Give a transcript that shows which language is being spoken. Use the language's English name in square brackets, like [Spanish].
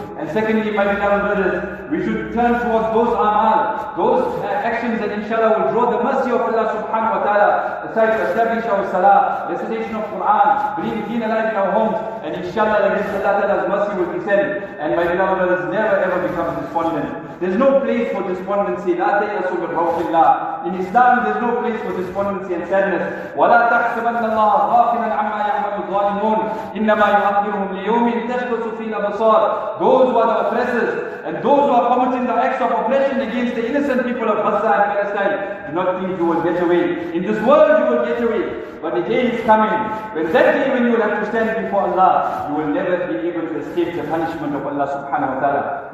[English] And secondly, my beloved brothers, we should turn towards those amal, those actions that inshallah will draw the mercy of Allah subhanahu wa ta'ala, aside to establish our salah, recitation of Quran, bring deen alive in our homes, and inshallah that this Allah ta'ala's mercy will descend. And my beloved brothers, never ever become despondent. There's no place for despondency. [Arabic] لا تيأسوا من روح الله. [English] In Islam, there's no place for despondency and sadness. [Arabic] ولا تحسبن الله غافلا عما يعمل الظالمون إنما يؤخرهم ليوم تشخص فيه الأبصار. [English] Those who are the oppressors and those who are committing the acts of oppression against the innocent people of Gaza and Palestine, do not think you will get away. In this world you will get away. But the day is coming, when that day when you will have to stand before Allah, you will never be able to escape the punishment of Allah subhanahu wa ta'ala.